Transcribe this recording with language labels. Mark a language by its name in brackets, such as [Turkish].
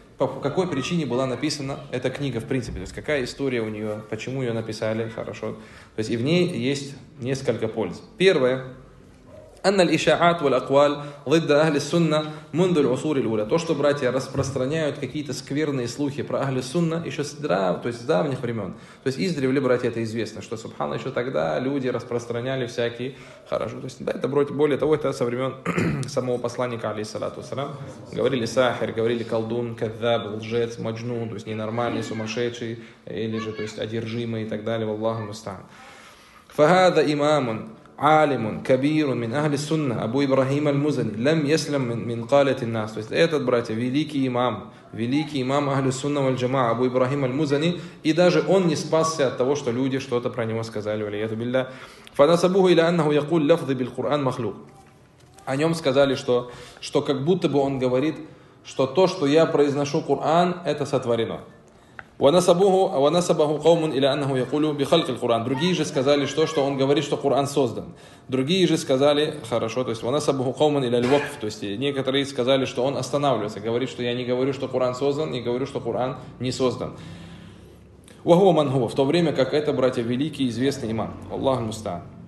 [Russian] По какой причине была написана эта книга, в принципе? То есть, какая история у нее, почему ее написали, хорошо. То есть, и в ней есть несколько польз. Первое, [Arabic] أن الإشاعات والأقوال ضد أهل السنة منذ العصور الأولى. [Russian] То, что братья распространяют какие-то скверные слухи про أهل السنة еще с древ, то есть с давних времен. То есть издревле, братья, это известно, что Субхана еще тогда люди распространяли всякие хорошо. То есть да, это более того, это со времен самого посланника, [Arabic] алейхиссалату вассалям. [Russian] Говорили сахир, говорили колдун, каззаб, лжец, маджнун, то есть ненормальный, сумасшедший, или же то есть одержимый и так далее. [Arabic] Валлаху мустаан. Фахада имамун. عالم كبير من أهل السنة أبو إبراهيم المزني لم يسلم من قالة الناس. [Russian] То есть этот братья великий имам أهل السنة والجماعة أبو إبراهيم المزني, и даже он не спасся от того, что люди что-то про него сказали. [Arabic] Валиату билля. فنسبوه إلى أنه يقول لفظ بالقرآن مخلوق. [Russian] О нем сказали, что как будто бы он говорит, что то, что я произношу Коран, это сотворено. [Arabic] ونسبه قوم إلى أنه يقول بخلق القرآن. [Russian] Другие же сказали, что он говорит, что Коран создан. Другие же сказали, хорошо, то есть [Arabic] ونسبه قوم إلى الوقف. [Russian] То есть некоторые сказали, что он останавливается, говорит, что я не говорю, что Коран создан, и говорю, что Коран не создан. [Arabic] وهو من هو. [Russian] В то время как это, братья, великий известный имам. [Arabic] Аллах мустаан.